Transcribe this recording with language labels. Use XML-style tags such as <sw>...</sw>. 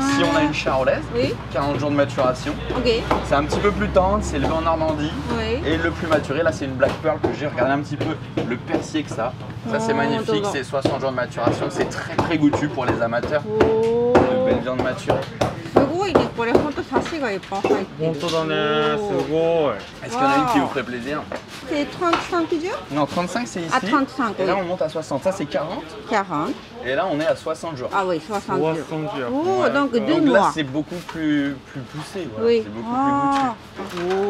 <fr>Ici, on a une charolaise, oui. 40 jours de maturation. Okay. C'est un petit peu plus tendre, c'est élevé en Normandie. Oui. Et le plus maturé, là, c'est une Black Pearl que j'ai regardé un petit peu, le persil que ça. Ça, c'est magnifique, c'est 60 jours de maturation. C'est très, très goûtu pour les amateurs de belle viande maturée.</fr> <ja>これ本当サシがいっぱい入ってる。本当だね、すごい。</ja> <fr>Est-ce qu'il y en a une qui vous ferait plaisir? C'est 35 jours? Non, 35 c'est ici. À 35. Et là on monte à 60. Ça c'est 40. 40. Et là on est à 60 jours. Ah oui, 60 jours. 60 jours. Oh, ouais. Donc deux donc, mois. Là c'est beaucoup plus poussé. Voilà. Oui. C'est beaucoup plus goûtu.</fr>